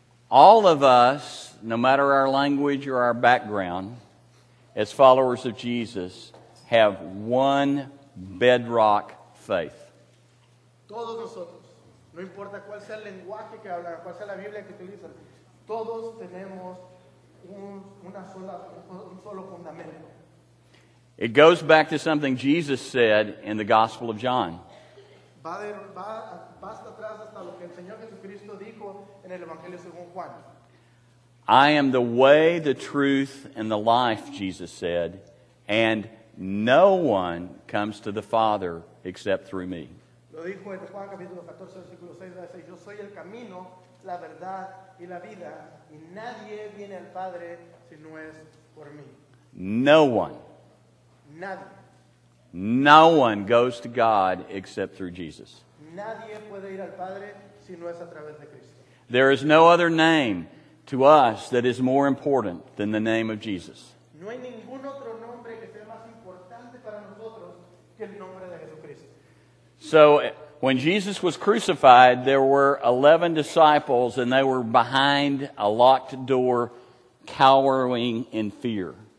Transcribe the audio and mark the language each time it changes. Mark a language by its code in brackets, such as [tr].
[en] All of us, no matter our language or our background, as followers of Jesus, have one bedrock faith. [es] Todos nosotros, no importa cuál sea el lenguaje que hablan, cuál sea la Biblia que utilizan, todos tenemos un solo fundamento. [en] It goes back to something Jesus said in the Gospel of John. [es] Va hasta atrás hasta lo que el Señor Jesucristo dijo en el Evangelio según Juan. [en] I am the way, the truth, and the life, Jesus said, and no one comes to the Father except through me. [es] Lo dijo en Juan capítulo 14, versículo 6, 6, yo soy el camino, la verdad y la vida, y nadie viene al Padre si no es por mí. [en] No one. [es] Nadie. [en] No one goes to God except through Jesus. [es] Nadie puede ir al Padre si no es a través de Cristo. [en] There is no other name to us that is more important than the name of Jesus. [es] No hay ningún otro nombre que sea más importante para nosotros que el nombre de Jesucristo. [en] So when Jesus was crucified, there were 11 disciples and they were behind a locked door, cowering in fear.